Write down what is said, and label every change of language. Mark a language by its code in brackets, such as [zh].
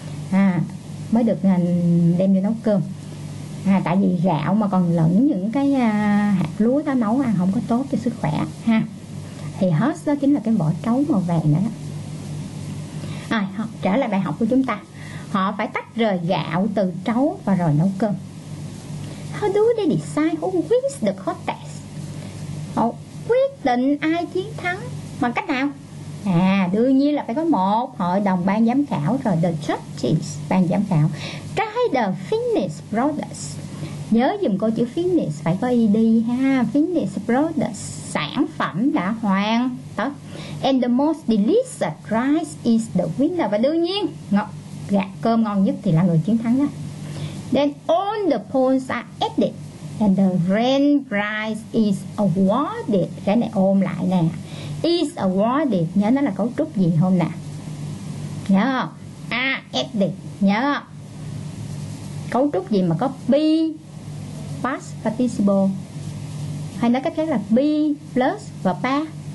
[vi] ha, mới được đem vô nấu cơm. À, tại vì gạo mà còn lẫn những cái hạt lúa đó nấu ăn không có tốt cho sức khỏe ha. Thì husk đó chính là cái vỏ trấu màu vàng đó. Rồi, trở lại bài học của chúng ta. Họ phải tách rời gạo từ trấu và rồi nấu cơm. [en] How do they decide who wins the contest? [vi] Họ quyết định ai chiến thắng bằng cách nào? À, đương nhiên là phải có một hội đồng ban giám khảo, rồi the judges, ban giám khảo. Cái the Phoenix Brothers, nhớ dùm câu chữ Phoenix phải có ED ha. Phoenix Brothers, sản phẩm đã hoàn tất. [en] And the most delicious rice is the winner. [vi] Và đương nhiên, gạo cơm ngon nhất thì là người chiến thắng đó. [en] Then all the points are added and the grand prize is awarded. [vi] Cái này ôm lại nè. Is awarded, nhớ nó là cấu trúc gì không nè? Nhớ không? Added, nhớ không? Cấu trúc gì mà có be, past participle, hay nói cách khác là be plus và past.